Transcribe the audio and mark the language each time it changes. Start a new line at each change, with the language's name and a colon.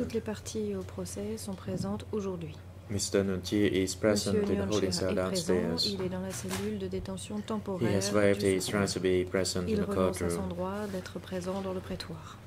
French: Toutes les parties au procès sont présentes aujourd'hui.
English: Mr. Nuntier is present in the holding cell downstairs.
French: Il est dans la cellule de détention temporaire.
English: He has waived his right to be present
French: il
English: in the courtroom.
French: Il renonce à son droit d'être présent dans le prétoire.